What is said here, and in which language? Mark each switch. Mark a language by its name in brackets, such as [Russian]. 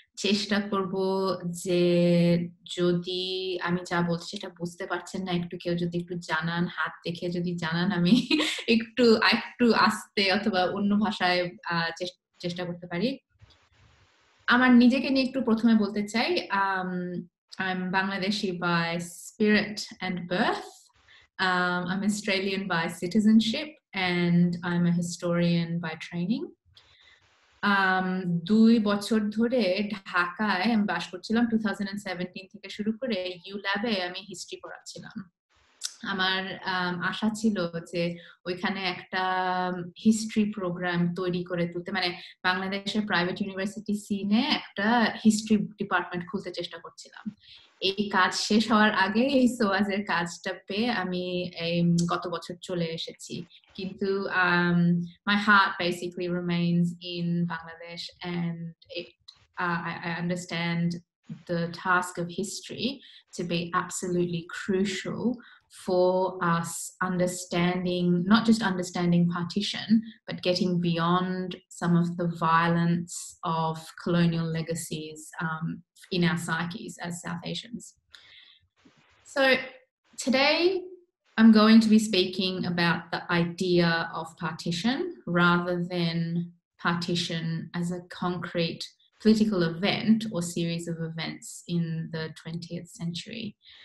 [Bangla] চেষ্টা করব যে যদি আমি যা বলছি সেটা বুঝতে পারছেন না, একটু কেউ যদি একটু জানান, হাত দেখে যদি জানান, আমি একটু একটু আস্তে অথবা অন্য ভাষায় চেষ্টা করতে পারি। আমার নিজেকে নিয়ে একটু প্রথমে বলতে চাই, [English] I'm Bangladeshi by spirit and birth. I'm Australian by citizenship and I'm a historian by training. [Bangla] দুই বছর ধরে ঢাকায় আমি বাস করছিলাম। 2017 থেকে শুরু করে ইউল্যাবে আমি হিস্ট্রি পড়াচ্ছিলাম। আমার আশা ছিল যে ওইখানে একটা হিস্ট্রি প্রোগ্রাম তৈরি করে তুলতে, মানে বাংলাদেশের প্রাইভেট ইউনিভার্সিটি সিনে একটা হিস্ট্রি ডিপার্টমেন্ট খুলতে চেষ্টা করছিলাম। এই কাজ শেষ হওয়ার আগে এই সোয়াজের কাজটা পেয়ে আমি এই গত বছর চলে এসেছি, কিন্তু [English] My heart basically remains in Bangladesh and I understand the task of history to be absolutely crucial for us understanding, not just understanding partition, but getting beyond some of the violence of colonial legacies in our psyches as South Asians. So today I'm going to be speaking about the idea of partition rather than partition as a concrete political event or series of events in the 20th century.